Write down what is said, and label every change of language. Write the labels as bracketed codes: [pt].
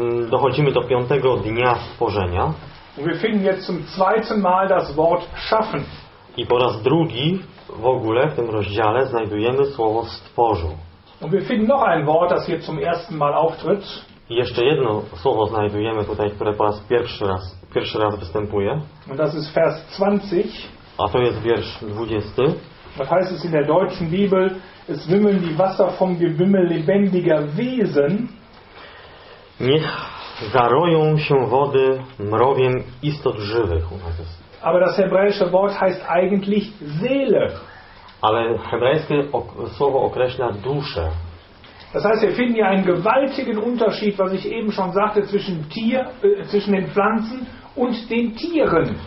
[pl] Dochodzimy do piątego dnia stworzenia. [de] Und wir finden jetzt zum zweiten Mal das Wort schaffen. [pl] I po raz drugi w ogóle w tym rozdziale znajdujemy słowo stworzył. [de] Und wir finden noch ein Wort, das hier zum ersten Mal auftritt. [pl] I jeszcze jedno słowo znajdujemy tutaj, które po raz pierwszy raz występuje. [de] Und das ist Vers 20. [pl] A to jest wiersz 20. [de] Das heißt es in der deutschen Bibel: es wimmeln die Wasser vom Gewimmel lebendiger Wesen. [pl] Niech zaroją się wody mrowiem istot żywych. [de] Aber das hebräische Wort heißt eigentlich Seele. [pl] Ale hebrajskie słowo określa duszę. [de] Das heißt, wir finden hier einen gewaltigen Unterschied, was ich eben schon sagte, zwischen den Pflanzen und den Tieren.